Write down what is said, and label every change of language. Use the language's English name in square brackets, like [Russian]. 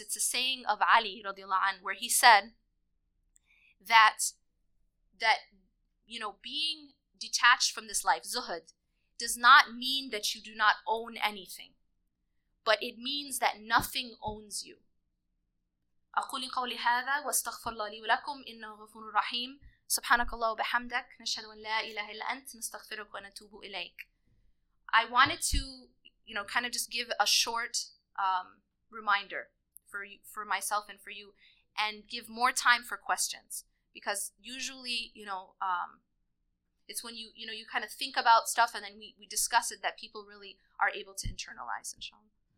[English] It's a saying of Ali radiallahu anhu, where he said that you know, being detached from this life, zuhud, does not mean that you do not own anything, but it means that nothing owns you. [Arabic] أقول قولي هذا واستغفر الله لي ولكم إنه غفور رحيم سبحانك الله وبحمدك نشهد أن لا إله إلا أنت نستغفرك ونتوب إليك. [English] I wanted to, you know, kind of just give a short reminder for you, for myself and for you, and give more time for questions, because usually, you know, it's when you know, you kind of think about stuff and then we discuss it that people really are able to internalize, inshallah.